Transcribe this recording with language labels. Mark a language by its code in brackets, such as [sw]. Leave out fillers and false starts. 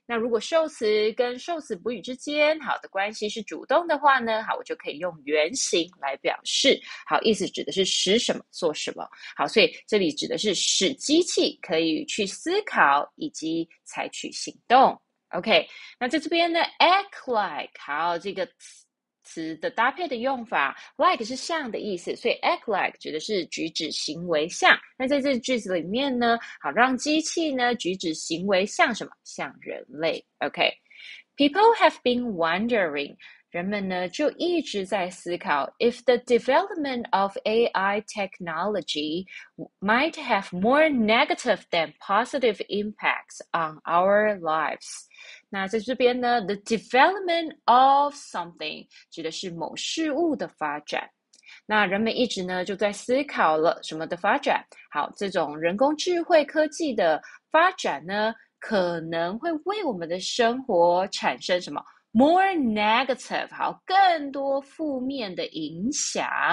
[zh] 那如果受词跟受词补语之间，好的关系是主动的话呢，好，我就可以用原形来表示，好，意思指的是使什么做什么，好，所以这里指的是使机器可以去思考以及采取行动。 OK，那在这边呢， [en] act like， [zh] 好，这个词的搭配的用法，like 是像的意思，所以 act like 指的是举止行为像。那在这句子里面呢，好，让机器呢举止行为像什么？像人类。 [en] OK，people have been wondering， [zh] 人们呢就一直在思考， [en] if the development of AI technology might have more negative than positive impacts on our lives。 [zh] 那在这边呢， [en] the development of something [zh] 指的是某事物的发展。那人们一直呢就在思考了什么的发展？好，这种人工智慧科技的发展呢，可能会为我们的生活产生什么？ [en] more negative， [zh] 好，更多负面的影响。